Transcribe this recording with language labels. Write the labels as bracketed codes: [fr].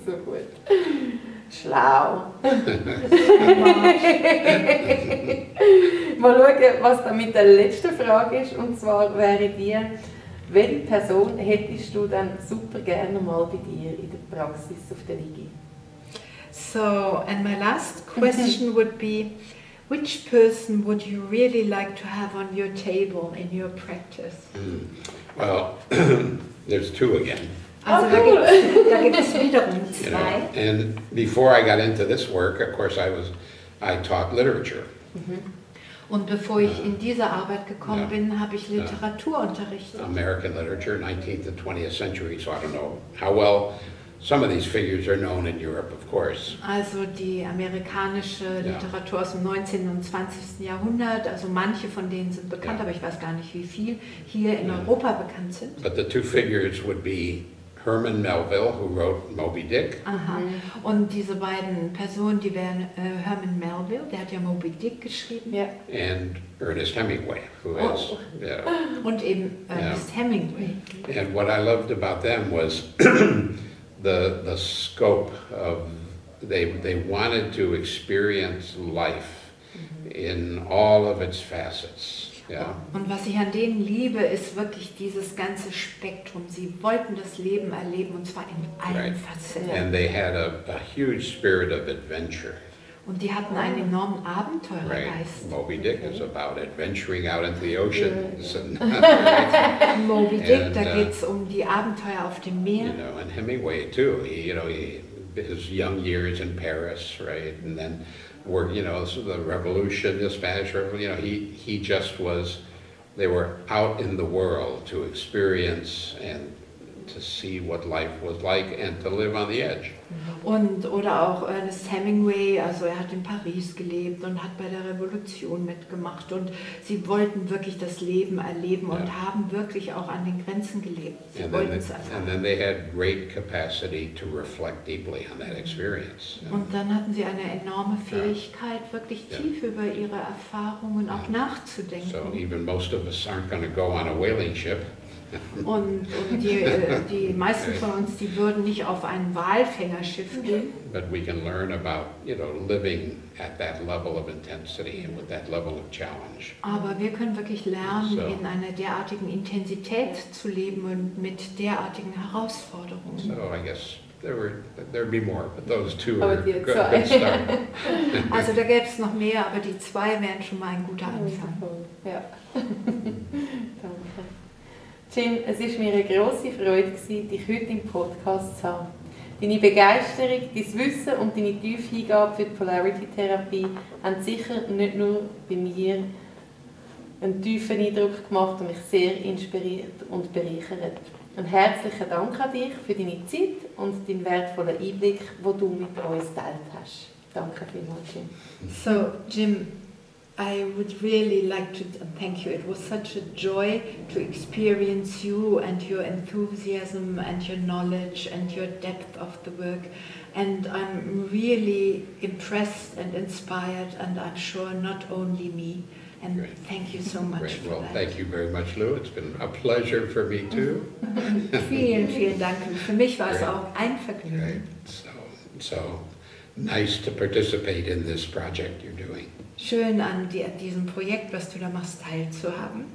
[de] So gut. Schlau. Mal schauen, was damit der letzte Frage ist. Und zwar wäre dir, welche Person hättest du dann super gerne mal bei dir in der Praxis auf der Ligi? [en] So, and my last question would be, which person would you really like to have on your table in your practice? Mm. Well, there's two again. [de] Also, oh, cool. Da gibt's wieder zwei. [en] You know, and before I got into this work, of course, I taught literature. Mm-hmm. [de] Und bevor ich in diese Arbeit gekommen bin, habe ich Literatur unterrichtet. [en] American literature, 19th and 20th century, so I don't know how well some of these figures are known in Europe, of course. [de] Also die amerikanische Literatur aus dem 19. und 20. Jahrhundert, also manche von denen sind bekannt, aber ich weiß gar nicht, wie viel hier in Europa bekannt sind. [en] But the two figures would be Herman Melville, who wrote Moby Dick. Aha. Mm. [de] Und diese beiden Personen, die wären Herman Melville, der hat ja Moby Dick geschrieben. Yeah. [en] And Ernest Hemingway, who has. [de] Und eben Ernest Hemingway. [en] And what I loved about them was the scope of they wanted to experience life in all of its facets. Yeah. [de] Und was ich an denen liebe, ist wirklich dieses ganze Spektrum. Sie wollten das Leben erleben, und zwar in allen Facetten. [en] And they had a huge spirit of adventure. [de] Und die hatten einen enormen Abenteuergeist. [en] Right. Moby Dick is about adventuring out into the oceans. [de] Moby Dick, da geht's um die Abenteuer auf dem Meer. [en] You know, and Hemingway too. His young years in Paris, right? And then, the revolution, the Spanish Revolution. You know, he just was, they were out in the world to experience and to see what life was like and to live on the edge. [de] Und oder auch Ernest Hemingway, also er hat in Paris gelebt und hat bei der Revolution mitgemacht, und sie wollten wirklich das Leben erleben und haben wirklich auch an den Grenzen gelebt. Sie wollten es erfahren. [en] And then they had great capacity to reflect deeply on that experience. [de] Und dann hatten sie eine enorme Fähigkeit, wirklich tief über ihre Erfahrungen auch nachzudenken. [en] So even most of us aren't going to go on a whaling ship. [de] und die meisten von uns, die würden nicht auf ein Walfängerschiff gehen. [en] But we can learn about, living at that level of intensity and with that level of challenge. [de] Aber wir können wirklich lernen, in einer derartigen Intensität zu leben und mit derartigen Herausforderungen. [en] So I guess there'd be more, but those two are good start. [de] Also da gäbe es noch mehr, aber die zwei wären schon mal ein guter Anfang. Ja. Jim, es war mir eine grosse Freude, dich heute im Podcast zu haben. Deine Begeisterung, dein Wissen und deine tiefe Hingabe für die Polarity-Therapie haben sicher nicht nur bei mir einen tiefen Eindruck gemacht und mich sehr inspiriert und bereichert. Ein herzlicher Dank an dich für deine Zeit und deinen wertvollen Einblick, den du mit uns geteilt hast. Danke vielmals, Jim. [en] So, Jim, I would really like to thank you. It was such a joy to experience you and your enthusiasm and your knowledge and your depth of the work. And I'm really impressed and inspired, and I'm sure not only me. And thank you so much. Great. Well, thank you very much, Lou. It's been a pleasure for me too. [de] Vielen, vielen Dank. Für mich war es auch ein Vergnügen. Great. [en] So nice to participate in this project you're doing. [de] Schön, an diesem Projekt, was du da machst, teilzuhaben.